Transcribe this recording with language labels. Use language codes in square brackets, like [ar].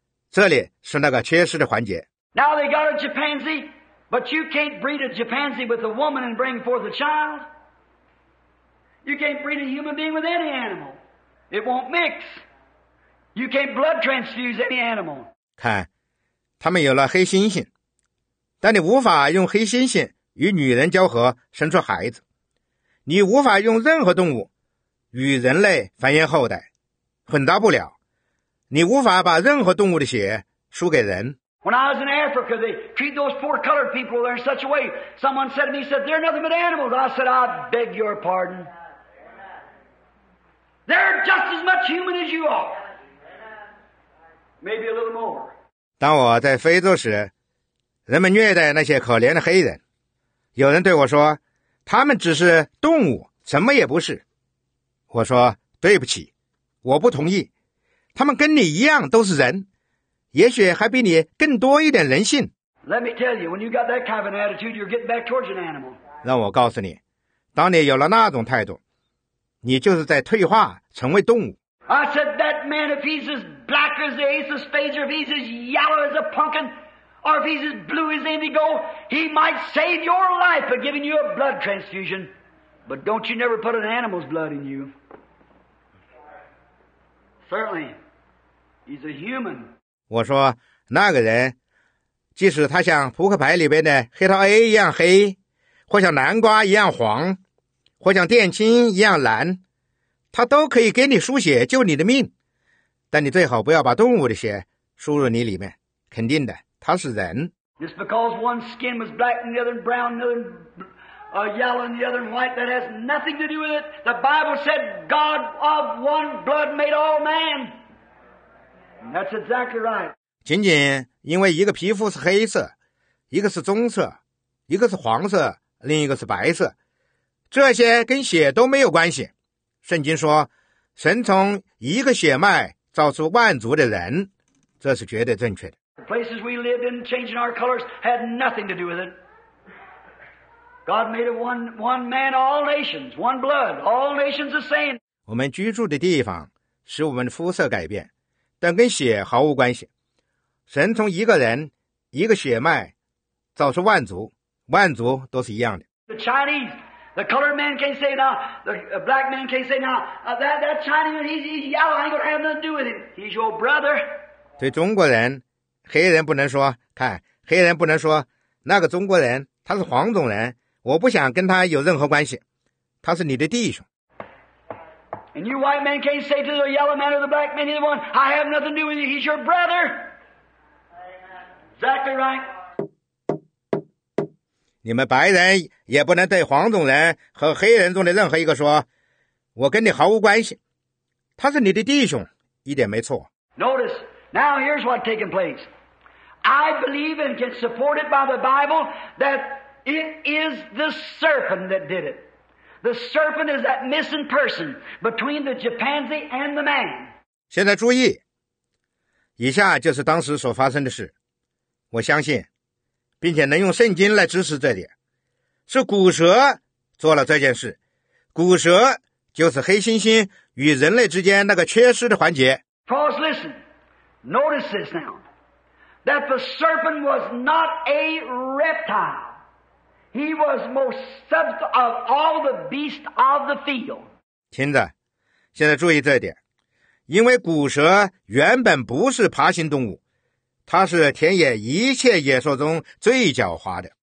[zh] 这里是那个缺失的环节。 [en] Now they got a chimpanzee, but you can't breed a chimpanzee with a woman and bring forth a child. You can't breed a human being with any animal. It won't mix. You can't blood transfuse any animal. [zh] 看，他们有了黑猩猩，但你无法用黑猩猩与女人交合生出孩子。你无法用任何动物与人类繁衍后代，混搭不了。你无法把任何动物的血输给人。 [en] When I was in Africa, they treat those poor colored people there in such a way. Someone said to me, said, they're nothing but animals. I said, I beg your pardon. They're just as much human as you are. Maybe a little more. [zh] 当我在非洲时，人们虐待那些可怜的黑人。有人对我说，他们只是动物，什么也不是。我说，对不起，我不同意。他们跟你一样都是人，也许还比你更多一点人性。 [en] Let me tell you, when you got that kind of an attitude, you're getting back towards an animal. [zh] 让我告诉你，当你有了那种态度，你就是在退化成为动物。 [en] I said that man, if he's as black as the ace of spades, or if he's as yellow as a pumpkin, or if he's as blue as indigo, he might save your life by giving you a blood transfusion. But don't you never put an animal's blood in you. Certainly, he's a human. [zh] 我说那个人，即使他像扑克牌里边的黑桃 A 一样黑，或像南瓜一样黄，或像靛青一样蓝，他都可以给你输血救你的命，但你最好不要把动物的血输入你里面。肯定的，他是人。 [en] Just because one skin was black and the other brown, another yellow and the other white, that has nothing to do with it. The Bible said, "God of one blood made all man." That's exactly right. [zh] 仅仅因为一个皮肤是黑色，一个是棕色，一个是黄色，另一个是白色，这些跟血都没有关系。圣经说，神从一个血脉造出万族的人，这是绝对正确的。 [en] The places we lived in, changing our colors, had nothing to do with it. God made of one man all nations, one blood, all nations the same. [zh] 我们居住的地方使我们的肤色改变，但跟血毫无关系。神从一个人一个血脉造出万族，万族都是一样的。 [en] The Chinese, the colored man can't say now, the black man can't say now, that Chinese, he's yellow, I ain't gonna have nothing to do with it. He's your brother. [zh] 对中国人，黑人不能说，看，黑人不能说，那个中国人，他是黄种人，我不想跟他有任何关系，他是你的弟兄。 [en] And you white men can't say to the yellow man or the black man, either one, I have nothing to do with you, he's your brother. Exactly right. [zh] 你们白人也不能对黄种人和黑人中的任何一个说，我跟你毫无关系，他是你的弟兄，一点没错。 [en] Notice, now here's what's taking place. I believe and get supported by the Bible that it is the serpent that did it. The serpent is that missing person between the chimpanzee and the man. [zh] 现在注意，以下就是当时所发生的事。我相信，并且能用圣经来支持这点，是古蛇做了这件事。古蛇就是黑猩猩与人类之间那个缺失的环节。 [en] Pause, listen. Notice this now. That the serpent was not a reptile. He was most subtle of all the beasts of the field. [zh] 听着，现在注意这一点，因为古蛇原本不是爬行动物，它是田野一切野兽中最狡猾的。